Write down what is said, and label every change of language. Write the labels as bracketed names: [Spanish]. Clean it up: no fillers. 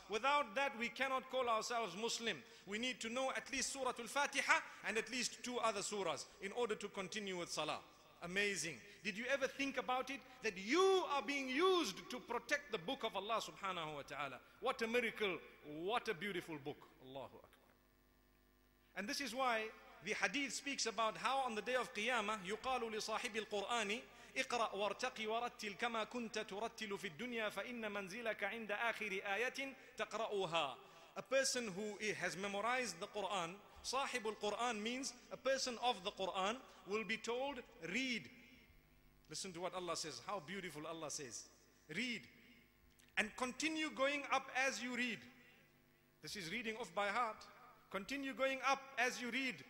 [English] Without that, we cannot call ourselves Muslim. We need to know at least Surah Al-Fatiha and at least two other surahs in order to continue with Salah. Amazing. Did you ever think about it? That you are being used to protect the book of Allah subhanahu wa ta'ala. What a miracle. What a beautiful book. Allahu Akbar. And this is why the hadith speaks about how on the day of Qiyamah, [Arabic] يُقَالُ لِصَاحِبِ الْقُرْآنِ اِقْرَأْ وَارْتَقِ وَرَتِّلْ كَمَا كُنْتَ تُرَتِّلُ فِي الدُّنْيَا فَإِنَّ مَنْزِلَكَ عِنْدَ آخِرِ آيَةٍ تَقْرَأُهَا. [English] A person who has memorized the Qur'an, [Arabic] صاحب القرآن [English] means a person of the Qur'an, will be told, read. Listen to what Allah says. How beautiful Allah says. Read. And continue going up as you read. This is reading off by heart. Continue going up as you read.